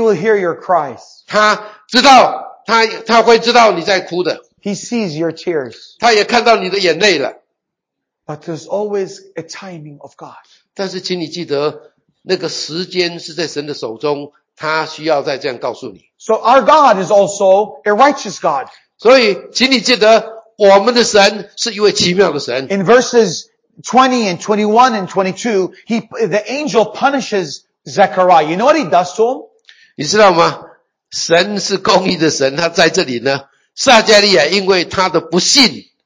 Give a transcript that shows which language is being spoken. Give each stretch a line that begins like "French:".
English: will hear your cries.
Chinese: 他知道，他会知道你在哭的。
English: He sees your tears.
Chinese: 他也看到你的眼泪了。
English: But there's always a timing of God.
Chinese: 但是请你记得, 那个时间是在神的手中, 他需要再这样告诉你。
English: So our God is also a righteous God.
Chinese: 所以请你记得, 我们的神是一位奇妙的神。
English: In verses 20 and 21 and 22, the angel punishes Zechariah. You know what he does to him?
Chinese: 你知道吗? 神是公义的神, 他在这里呢, 撒加利亚, 因为他的不信,